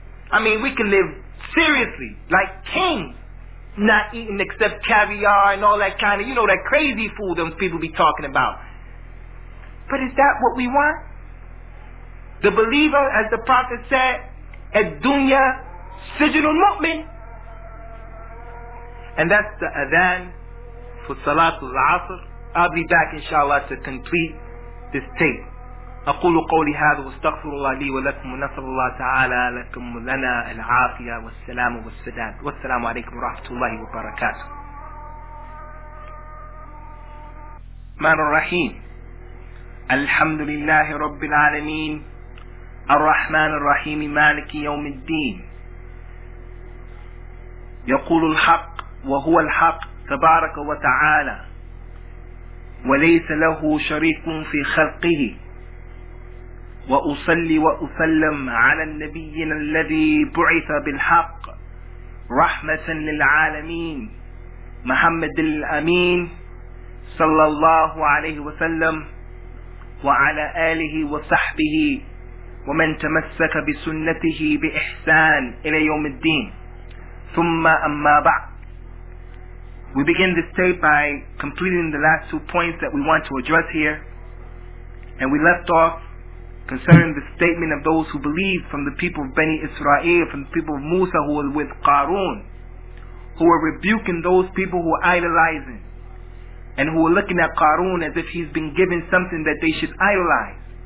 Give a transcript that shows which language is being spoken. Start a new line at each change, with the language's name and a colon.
English: I mean, we can live seriously, like kings, not eating except caviar and all that kind of, you know, that crazy food those people be talking about. But is that what we want? The believer, as the Prophet said,
Arabic: الدنيا سجن المؤمن.
English: And that's the adhan for Salatul Asr. I'll be back inshallah to complete this tape.
Arabic: أقول قولي هذا واستغفر الله لي ولكم ونسأل الله تعالى لكم لنا العافية والسلام والسداد والسلام عليكم ورحمة الله وبركاته. من الرحيم الحمد لله رب العالمين الرحمن الرحيم مالك يوم الدين يقول الحق وهو الحق تبارك وتعالى وليس له شريك في خلقه وأصلي وأسلم على النبي الذي بعث بالحق رحمة للعالمين محمد الأمين صلى الله عليه وسلم وعلى آله وصحبه ومن تمسك بسنته بإحسان إلى يوم الدين ثم أما بعد.
English: We begin this tape by completing the last two points that we want to address here, and we left off concerning the statement of those who believed from the people of Bani Israel, from the people of Musa who were with Qarun, who were rebuking those people who were idolizing and who were looking at Qarun as if he's been given something that they should idolize.